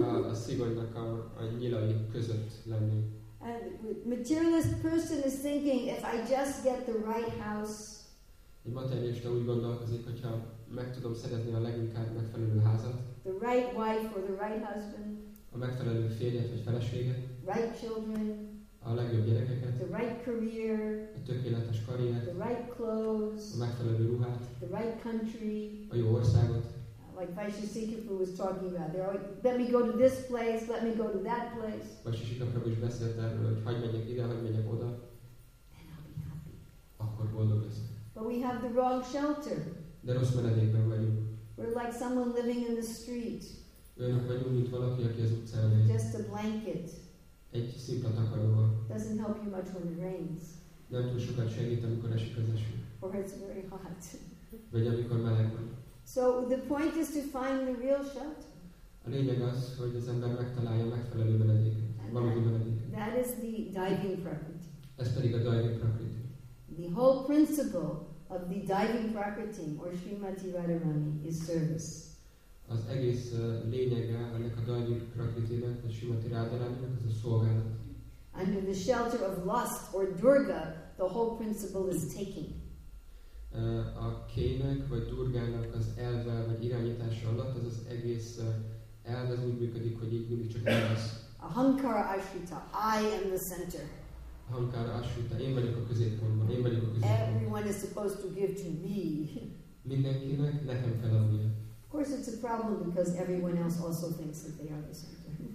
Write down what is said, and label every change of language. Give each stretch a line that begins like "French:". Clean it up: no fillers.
Hungarian: A szigonynak a nyilai között lenni.
English: And materialist person is thinking, if I just get the right house.
Hungarian: Egy materialista úgy gondolkozik, hogyha meg tudom szerezni a leginkább megfelelő házat.
English: The right wife or the right husband.
Hungarian: A megfelelő férjet vagy feleséget.
English: Right children.
Hungarian: A legjobb gyerekeket.
English: The right career.
Hungarian: A tökéletes karriert.
English: The right clothes.
Hungarian: A megfelelő ruhát.
English: The right country.
Hungarian: A jó országot.
English: Like Vaishishikapu was talking about. They're always, let me go to this place, let me go to that place.
Hungarian: Vaishishikapu is beszélt erről, hogy hagyj menjek ide, hagyj menjek oda.
English: Then I'll be happy.
Hungarian: Akkor boldog leszek.
English: But we have the wrong shelter.
Hungarian: De rossz menedékben vagyunk.
English: We're like someone living in the street.
Hungarian: Önök vagyunk, mint valaki, aki az utcán él.
English: Just a blanket.
Hungarian: Egy szimpla takaróval.
English: Doesn't help you much when it rains.
Hungarian: Nem túl sokat segít, amikor esik az eső.
English: Or it's very hot.
Hungarian: Vagy amikor meleg van.
English: So the point is to find the real shelter.
Hungarian: A lényeg az, hogy az ember megtalálja megfelelő menedéket, valódi menedéket.
English: That is the diving prakriti.
Hungarian: Ez pedig a diving prakriti.
English: The whole principle of the diving prakriti or Srimati Radharani is service.
Hungarian: Az egész lényege ennek a Daivik Prakritinek, a Srimati Radharaninek, az a szolgálat.
English: Under the shelter of lust or Durga, the whole principle is taking.
Hungarian: A kének vagy Durgának az elve vagy irányítása alatt, az az egész elve az úgy működik, hogy így mindig csak elvesz.
English: Ahankara Ashrita, I am the center.
Hungarian: Ahankara Ashrita, én vagyok a középpontban, én vagyok a középpontban.
English: Everyone is supposed to give to me.
Hungarian: Mindenkinek nekem kell adnia.
English: Of course, it's a problem because everyone else also thinks that they are the center.